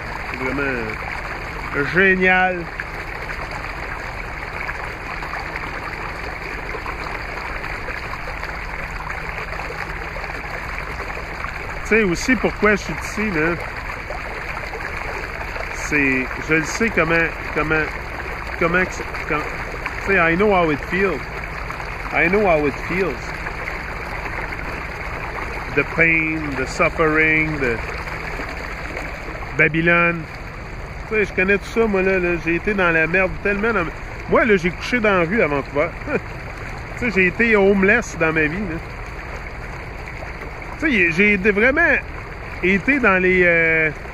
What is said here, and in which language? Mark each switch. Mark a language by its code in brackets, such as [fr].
[fr] C'est vraiment génial. Tu sais aussi pourquoi je suis ici, là. C'est... Je le sais comment... Tu sais, [en] I know how it feels. I know how it feels. The pain, the suffering, the... [fr] Babylone. Tu sais, je connais tout ça, moi, là. J'ai été dans la merde tellement. Moi, là, j'ai couché dans la rue à Vancouver. Tu sais, j'ai été homeless dans ma vie, là. Tu sais, j'ai vraiment été dans les...